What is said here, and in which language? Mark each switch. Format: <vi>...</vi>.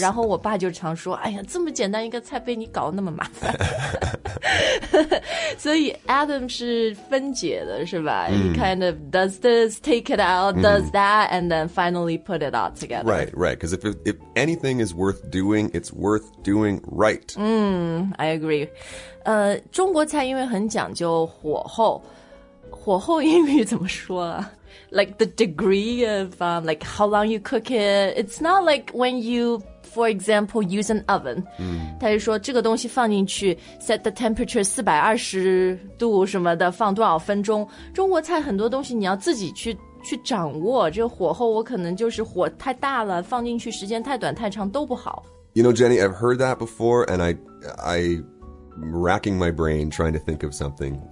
<zh>然后我爸就常说，哎呀，这么简单一个菜被你搞那么麻烦。所以 Adam 是分解的是吧、</zh> <en>He kind of does this, take it out, does that, and then finally put it all together. Right, right. Because if anything is worth doing, it's worth doing right. I agree.</en> <zh>中国菜因为很讲究火候。火候英语怎么说啊？</zh> <en>Like the degree of, like how long you cook it. It's not like when you, for example, use an oven.</en> <zh>他就说这个东西放进去</zh> <en>set the temperature</en> <zh>420度什么的放多少分钟。中国菜很多东西你要自己去掌握这个火候我可能就是火太大了放进去时间太短太长都不好。</zh> <en>You know, Jenny, I've heard that before and I... racking my brain trying to think of something.</en>